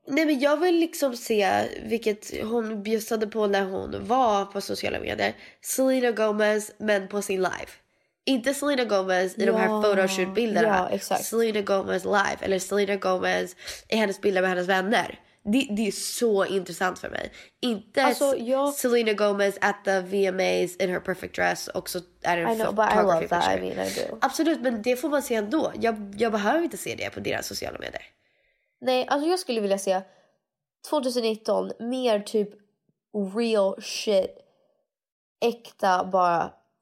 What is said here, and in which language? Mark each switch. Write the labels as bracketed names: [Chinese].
[Swedish] Nej, men jag vill liksom se, vilket hon bjussade på när hon var på sociala medier, Selena Gomez, men på sin live. Inte Selena Gomez i de här photoshoot-bilderna. Ja, exakt. Selena Gomez live, eller Selena Gomez i hennes bilder med hennes vänner. Det är så intressant för mig. Inte alltså, [English] Selena Gomez at the VMAs in her perfect dress. [Swedish] Också är en [English] photography picture. I know, but I love that. I mean, I do. [Swedish] Absolut, men det får man se ändå. Jag behöver inte se det på deras sociala medier. Nej, alltså jag skulle vilja se 2019 mer typ [English] real shit, [Swedish] äkta bara.